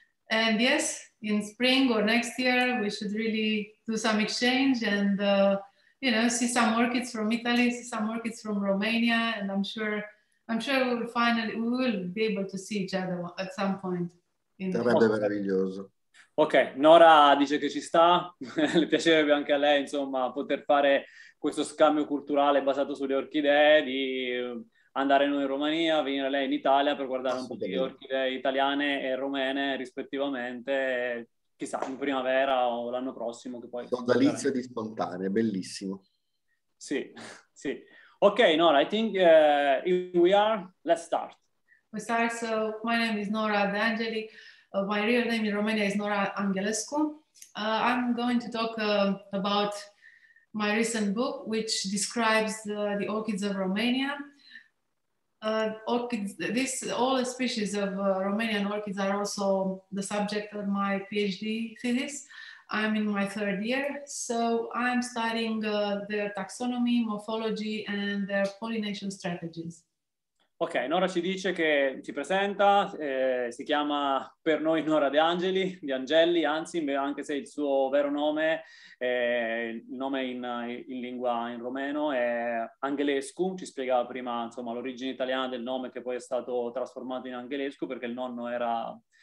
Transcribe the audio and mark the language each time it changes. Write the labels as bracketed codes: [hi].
[en] And yes, in spring or next year, we should really do some exchange and you know, see some orchids from Italy, see some orchids from Romania, and I'm sure we will be able to see each other at some point. [it] Sarebbe meraviglioso. Ok, Nora dice che ci sta, le piacerebbe anche a lei, insomma, poter fare questo scambio culturale basato sulle orchidee, di andare noi in Romania, venire lei in Italia per guardare un po' di orchidee italiane e romene rispettivamente. Chissà, in primavera o l'anno prossimo, che poi... Sodalizio di spontanee, bellissimo. Sì, sì. [en] Ok, Nora, I think we are, let's start. We start, so my name is Nora De Angeli. My real name in Romania is Nora Angelescu. I'm going to talk about my recent book, which describes the orchids of Romania. All the species of Romanian orchids are also the subject of my PhD thesis. I'm in my third year, so I'm studying their taxonomy, morphology, and their pollination strategies. [it] Ok, Nora ci dice che si presenta, si chiama per noi Nora De Angeli, De Angeli, anzi, anche se il suo vero nome, il nome in lingua in romeno è Angelescu, ci spiegava prima insomma l'origine italiana del nome che poi è stato trasformato in Angelescu perché il nonno era